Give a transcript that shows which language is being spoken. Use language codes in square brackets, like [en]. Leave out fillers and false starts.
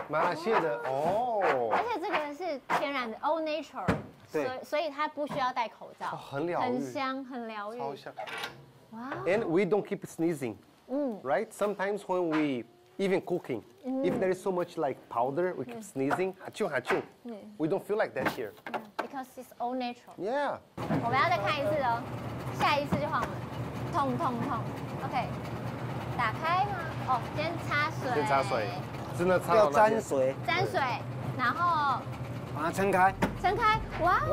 [zh] 今天做的是沉香。是不是马来西亚的沉香。马来西亚的哦。而且这个是天然的 [en] all natural. [zh] 所以它不需要戴口罩。很疗愈。很香。 [en] Wow. And we don't keep sneezing. Right? Sometimes when we even cooking, if there is so much like powder, we keep sneezing, achoo, achoo. We don't feel like that here. Because it's all natural. Yeah. [zh] 我们要再看一次哦，下一次就换我们，痛痛痛. Okay. 打开吗?哦，先擦水。先擦水。真的擦到那边。要沾水。沾水，然后。把它撑开。撑开.Wow.